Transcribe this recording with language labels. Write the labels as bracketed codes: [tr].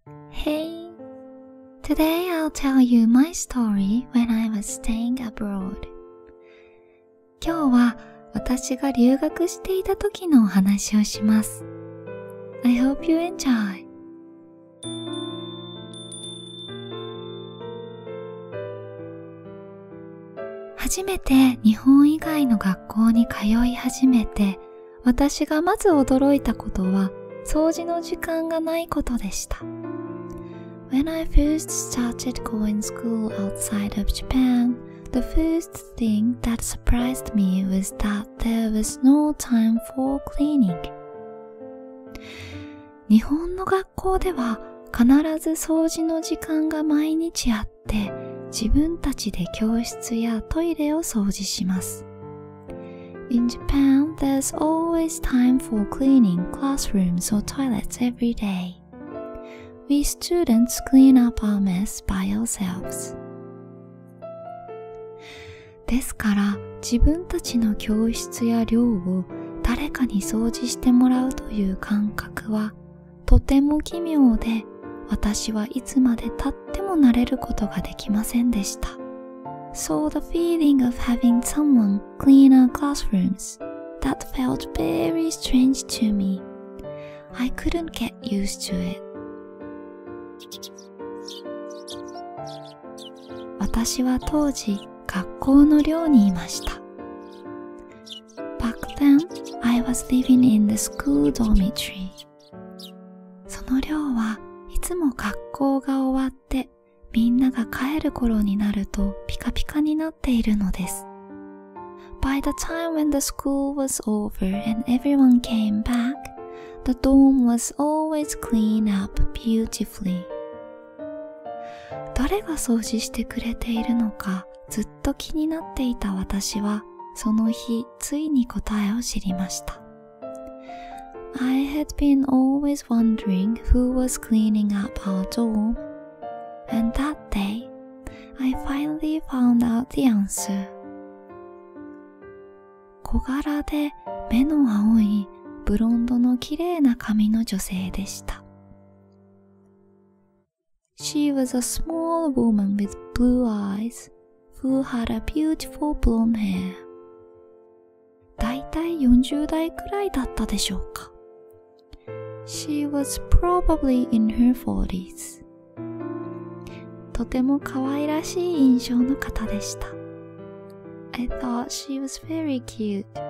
[en] Hey, today I'll tell you my story when I was staying abroad. [ja] 今日は私が留学していた時のお話をします。 [en] I hope you enjoy. [ja] 初めて日本以外の学校に通い始めて、私がまず驚いたことは掃除の時間がないことでした。 [en] When I first started going to school outside of Japan, the first thing that surprised me was that there was no time for cleaning. [ja] 日本の学校では必ず掃除の時間が毎日あって、自分たちで教室やトイレを掃除します。 [en] In Japan, there's always time for cleaning classrooms or toilets every day. We students clean up our mess by ourselves. [ja] ですから、自分たちの教室や寮を誰かに掃除してもらうという感覚はとても奇妙で、私はいつまで経っても慣れることができませんでした。 [en] So the feeling of having someone clean our classrooms, that felt very strange to me. I couldn't get used to it. [ja] 私は当時、学校の寮にいました。 [en] Back then, I was living in the school dormitory. [ja] その寮はいつも学校が終わって、みんなが帰る頃になるとピカピカになっているのです。 [en] By the time when the school was over and everyone came back, the dorm was always cleaned up beautifully. [ja] 誰が掃除してくれているのかずっと気になっていた私はその日ついに答えを知りました。 [en] I had been always wondering who was cleaning up our dorm. And that day, I finally found out the answer. [ja] 小柄で目の青いブロンドの綺麗な髪の女性でした。 [en] She was a small woman with blue eyes, who had a beautiful blonde hair. [ja] だいたい40代くらいだったでしょうか。 [en] She was probably in her 40s. [ja] とても可愛らしい印象の方でした。 [en] I thought she was very cute.